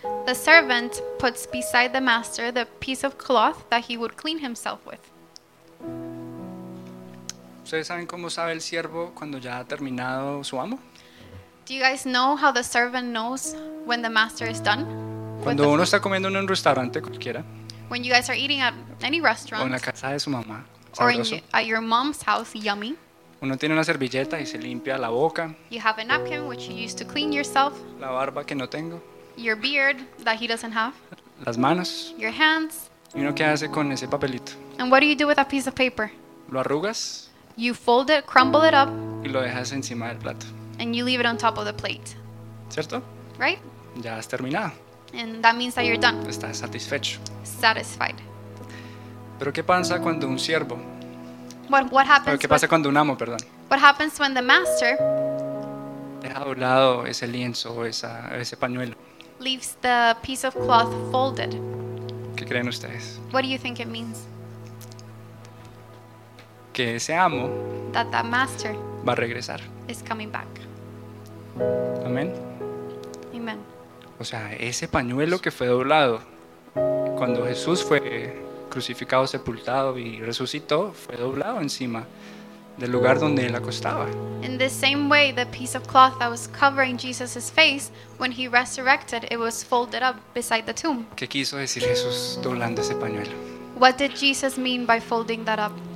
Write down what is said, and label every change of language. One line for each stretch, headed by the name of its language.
English: The servant puts beside the master the piece of cloth that he would clean himself with.
Spanish: ¿Ustedes saben cómo sabe el siervo cuando ya ha terminado su amo?
English: Do you guys know how the servant knows when the master is done?
Spanish: Cuando uno está comiendo en un restaurante cualquiera.
English: When you guys are eating at any restaurant.
Spanish: O en la casa de su mamá.
English: Or at your mom's house, yummy.
Spanish: Uno tiene una servilleta y se limpia la boca.
English: You have a napkin which you use to clean yourself.
Spanish: La barba que no tengo.
English: Your beard that he doesn't have.
Spanish: Las manos.
English: Your hands.
Spanish: ¿Y uno qué hace con ese papelito?
English: And what do you do with that piece of paper?
Spanish: Lo arrugas.
English: You fold it, crumble it up.
Spanish: Y lo dejas encima del plato.
English: And you leave it on top of the plate.
Spanish: ¿Cierto?
English: Right?
Spanish: Ya has terminado.
English: And that means that you're done.
Spanish: Estás satisfecho.
English: Satisfied.
Spanish: Pero qué pasa cuando un siervo.
English: What happens?
Spanish: ¿Qué pasa cuando un amo, perdón?
English: What happens when the master
Spanish: deja doblado ese lienzo o ese pañuelo?
English: Leaves the piece of cloth folded.
Spanish: ¿Qué creen ustedes?
English: What do you think it means?
Spanish: Que ese amo
English: that master
Spanish: va a regresar.
English: Is coming back.
Spanish: Amén.
English: Amen.
Spanish: O sea, ese pañuelo que fue doblado cuando Jesús fue crucificado, sepultado y resucitó, fue doblado encima del lugar donde él acostaba.
English: In the same way, the piece of cloth that was covering Jesus's face when he resurrected, it was folded up beside the tomb.
Spanish: ¿Qué quiso decir Jesús doblando ese pañuelo?
English: What did Jesus mean by folding that up?